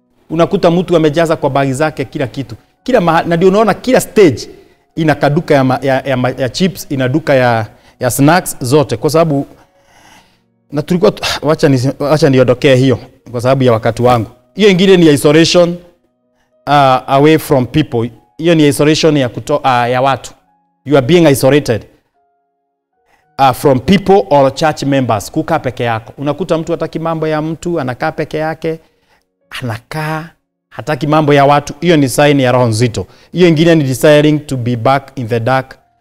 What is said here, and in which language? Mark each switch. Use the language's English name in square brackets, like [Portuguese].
[Swahili] Unakuta mtu amejaza kwa bagi zake kila kitu. Kila na ndio unaona kila stage ina kaduka ya chips, ina duka ya snacks zote kwa sababu na tulikuwa acha niondokee hiyo kwa sababu ya wakati wangu. Hiyo nyingine ni [English] isolation away from people. [Swahili] Hiyo ni isolation ya ya watu. [English] You are being isolated from people or church members. [Swahili] Kukaa peke yako. Unakuta mtu hataki mambo ya mtu, anakaa peke yake. Anakaa hataki mambo ya watu. Hiyo ni sign ya roho nzito. Hiyo nyingine ni [English] desiring to be back in the dark.